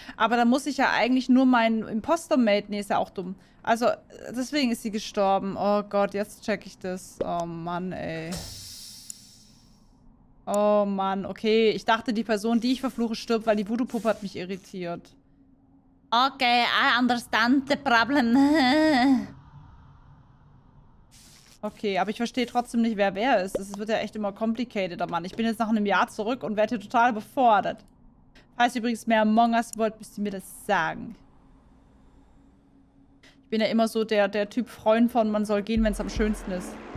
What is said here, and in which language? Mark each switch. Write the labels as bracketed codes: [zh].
[de] Aber dann muss ich ja eigentlich nur meinen Imposter-Mate, nee, ist ja auch dumm. Also, deswegen ist sie gestorben. Oh Gott, jetzt check ich das. Oh Mann, ey. Oh Mann, okay. Ich dachte, die Person, die ich verfluche, stirbt, weil die Voodoo-Puppe hat mich irritiert. [en] Okay, I understand the problem. [de] Okay, aber ich verstehe trotzdem nicht, wer ist. Es wird ja echt immer complicateder, Mann. Ich bin jetzt nach einem Jahr zurück und werde hier total befordert. Falls ihr übrigens mehr Among Us wollt, müsst ihr mir das sagen. Ich bin ja immer so der Typ Freund von man soll gehen, wenn es am schönsten ist.